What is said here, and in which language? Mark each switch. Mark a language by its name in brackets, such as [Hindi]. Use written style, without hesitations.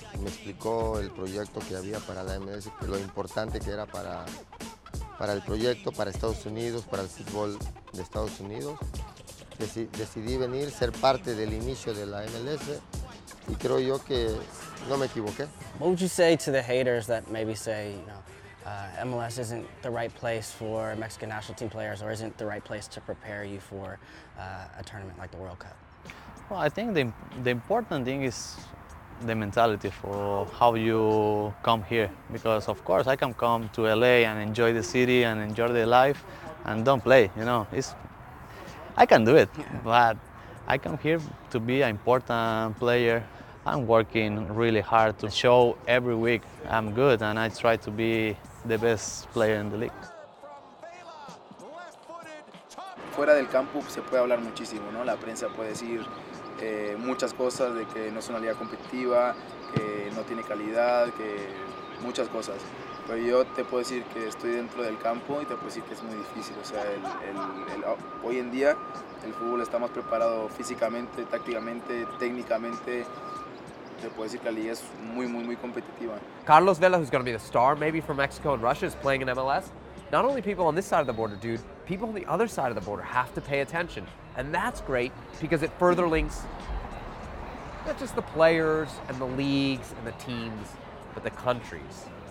[Spanish] Me explicó el proyecto que había para la MLS, lo importante que era para el proyecto, para Estados Unidos, para el fútbol de Estados Unidos. Decidí venir, ser parte del inicio de la MLS y creo yo que no me equivoqué. [English] What would you say to the haters that maybe say, you know, MLS isn't the right place for Mexican national team players, or isn't the right place to prepare you for a tournament like the World Cup? Well, I think the important thing is the mentality for how you come here. Because of course, I can come to LA and enjoy the city and enjoy the life and don't play, you know. I can do it, but I come here to be an important player. I'm working really hard to show every week I'm good and I try to be the best player in the league. [Spanish] Fuera del campo se puede hablar muchísimo, ¿no? La prensa puede decir muchas cosas de que no es una liga competitiva, que no tiene calidad, que muchas cosas. Pero yo te puedo decir que estoy dentro del campo y te puedo decir que es muy difícil. O sea, hoy en día el fútbol está más preparado físicamente, tácticamente, técnicamente. Te puedo decir que la liga es muy, muy, muy competitiva. [English] Carlos Vela, who's going to be the star maybe for Mexico and Russia, is playing in MLS. Not only people on this side of the border, dude, people on the other side of the border have to pay attention. And that's great because it further links not just the players and the leagues and the teams, but the countries.